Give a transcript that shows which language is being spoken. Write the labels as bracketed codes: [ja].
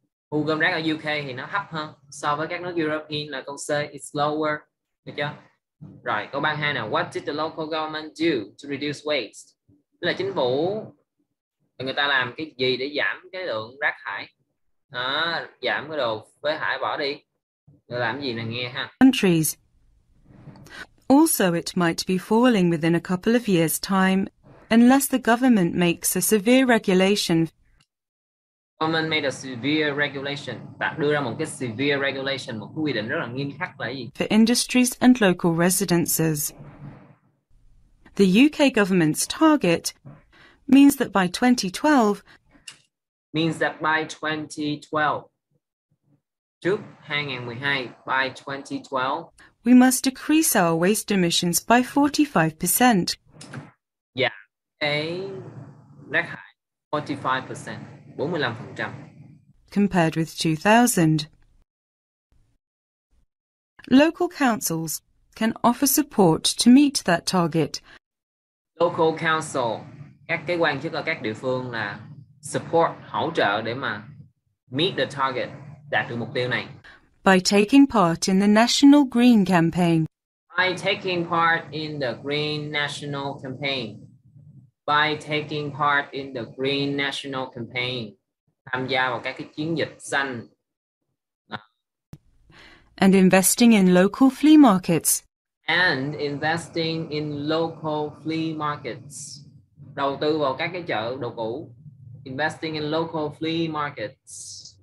[vi] Thu gom rác ở UK thì nó thấp hơn so với các nước European là câu C, [en] it's lower. [vi] Được chưa? Right, câu 32 nè. [en] What did the local government do to reduce waste? [vi] Là chính phủ người ta làm cái gì để giảm cái lượng rác thải? Đó, giảm cái đồ phế thải bỏ đi. Người làm cái gì nè nghe ha. [en] Countries. Also, it might be falling within a couple of years' time unless the government makes a severe regulation. Government made a severe regulation. [vi] Bạn đưa ra một cái severe regulation, một quy định rất là nghiêm khắc là gì? [en] For industries and local residences. The UK government's target means that by 2012 we must decrease our waste emissions by 45%. [vi] Yeah. Cái rất high, 45%, 45%. [en] Compared with 2000. Local councils can offer support to meet that target. [vi] Local council, các cái quan chức ở các địa phương là support, hỗ trợ để mà [en] meet the target, [vi] đạt được mục tiêu này. [en] By taking part in the National Green Campaign. By taking part in the Green National Campaign. By taking part in the Green National Campaign. [vi] Tham gia vào các cái chiến dịch xanh. [en] And investing in local flea markets. And investing in local flea markets. [vi] Đầu tư vào các cái chợ đồ cũ. [en] Investing in local flea markets.